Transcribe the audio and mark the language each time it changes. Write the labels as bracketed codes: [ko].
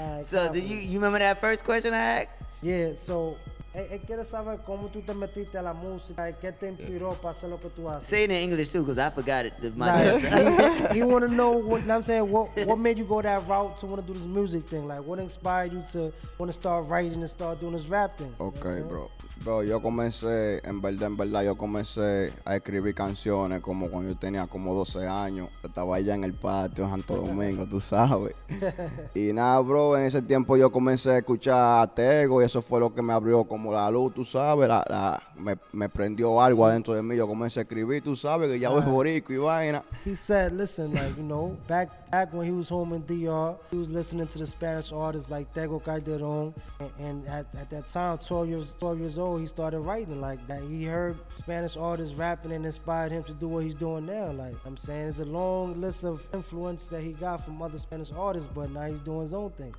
[en] So did you remember that first question I asked? Yeah, so hey, [es] quiero saber cómo tú te metiste a la música y qué te inspiró para hacer lo que tú haces. [en] Say it in English too, because I forgot it. You want to know what made you go that route to want to do this music thing? Like, what inspired you to want to start writing and start doing this rap thing? [es] Okay, bro, yo comencé, en verdad, yo comencé a escribir canciones como cuando yo tenía como 12 años. Yo estaba allá en el patio en Santo Domingo, tú sabes. Y nada, bro, en ese tiempo yo comencé a escuchar a Tego y eso fue lo que me abrió como la luz, tú sabes, la, la, me prendió algo adentro de mí. Yo comencé a escribir, tú sabes que ya voy borico y vaina. [en] He said, listen, like, you know, back when he was home in DR, he was listening to the Spanish artists like Tego Calderon. And at that time, 12 years old, he started writing like that. He heard Spanish artists rapping and inspired him to do what he's doing now. Like I'm saying, it's a long list of influence that he got from other Spanish artists, but now he's doing his own thing.